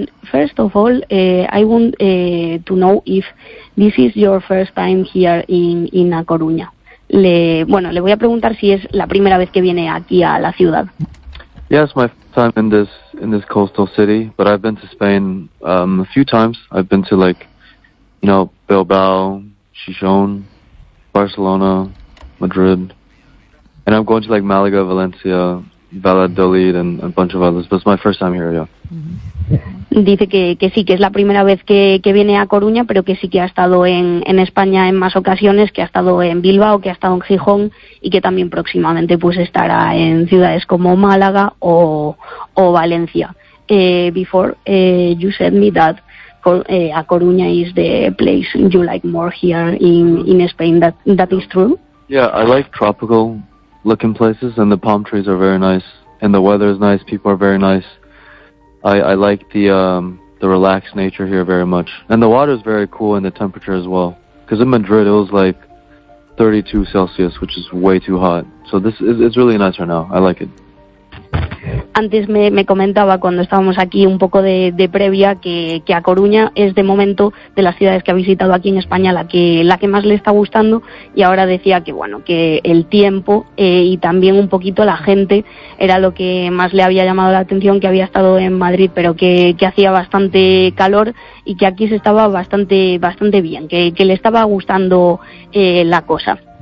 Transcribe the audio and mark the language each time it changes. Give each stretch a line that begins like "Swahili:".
English: First of all, I want to know if this is your first time here in A Coruña.
Spanish: Le voy a preguntar si es la primera vez que viene aquí a la ciudad.
English: Yes, yeah, my first time in this coastal city, but I've been to Spain a few times. I've been to Bilbao, Gijón, Barcelona, Madrid, and I'm going to Malaga, Valencia, Valladolid, and a bunch of others. But it's my first time here, yeah.
Spanish: Dice que sí, que es la primera vez que viene a Coruña, pero que sí que ha estado en España en más ocasiones, que ha estado en Bilbao, que ha estado en Gijón y que también próximamente pues estará en ciudades como Málaga o Valencia.
English: Before you said me that A Coruña is the place you like more here in Spain, that is true? Yeah, I like tropical looking places and the palm trees are very nice and the weather is nice, people are very nice. I like the relaxed nature here very much. And the water is very cool and the temperature as well. Because in Madrid it was 32 Celsius, which is way too hot. So this is really nice right now. I like it.
Spanish: antes me comentaba cuando estábamos aquí un poco de previa que a Coruña es de momento de las ciudades que ha visitado aquí en España la que más le está gustando, y ahora decía que bueno, que el tiempo y también un poquito la gente era lo que más le había llamado la atención, que había estado en Madrid pero que hacía bastante calor y que aquí se estaba bastante bastante bien, que le estaba gustando la cosa.